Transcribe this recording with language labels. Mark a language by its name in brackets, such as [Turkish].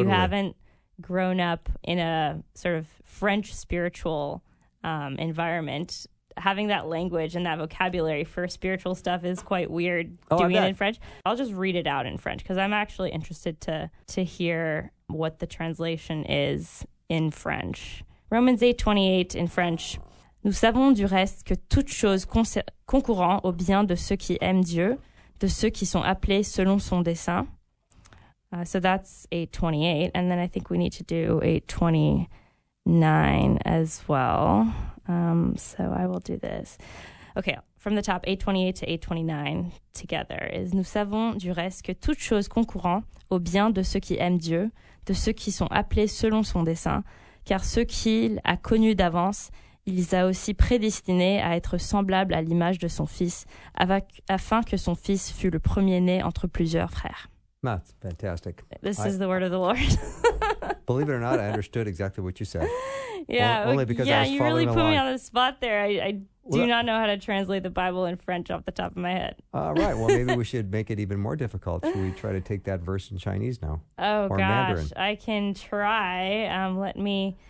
[English] and you haven't grown up in a sort of French spiritual environment, having that language and that vocabulary for spiritual stuff is quite weird doing it in French. I'll just read it out in French because I'm actually interested to hear what the translation is in French. Romans 8:28 in French. [French] Nous savons du reste que toutes choses concourant au bien de ceux qui aiment Dieu, de ceux qui sont appelés selon son dessein. [English] So that's 8:28. And then I think we need to do 8:29 as well. So I will do this. Okay, from the top, 8:28 to 8:29 together is [French] Nous savons du reste que toutes choses concourant au bien de ceux qui aiment Dieu, de ceux qui sont appelés selon son dessein, car ceux qu'il a connus d'avance, il les a aussi prédestinés à être semblables à l'image de son fils, afin que son fils fût le premier-né entre plusieurs frères. [English] That's fantastic. This is the word of the Lord. Believe it or not, I understood exactly what you said. Yeah, only because I was you really put along. Me on the spot there. I do not know how to translate the Bible in French off the top of my head. All right. Well, maybe we should make it even more difficult. Should we try to take that verse in Chinese now? Oh, gosh. Mandarin? I can try.